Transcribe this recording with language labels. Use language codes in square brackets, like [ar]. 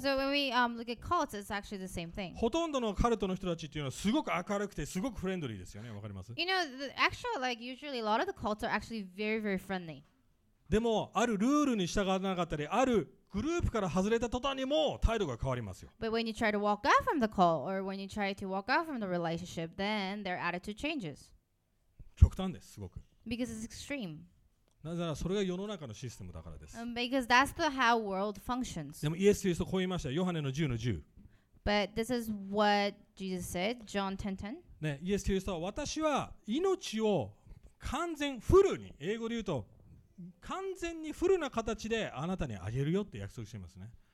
[en] So when we look at cults, it's actually the same thing. [ja] ほとんどのカルトの人たちっていうのはすごく明るくてすごくフレンドリーですよね。わかります? [en] You know, actually, like usually, a lot of the cults are actually very, very friendly. [ja] でもあるルールに従わなかったり、あるグループから外れた途端にもう態度が変わりますよ。 [en] But when you try to walk out from the cult or when you try to walk out from the relationship, then their attitude changes. [ja] 極端です、すごく。 [en] Because it's extreme. [ja] なぜならそれが世の中のシステムだからです。 [en] Because that's the how world functions. [ja] でもイエス・キリストこう言いました。ヨハネの10の10。 [en] But this is what Jesus said, John 10:10. [ja] ね、イエス・キリストは私は命を完全フルに、英語で言うと完全にフルな形であなたにあげるよって約束していますね。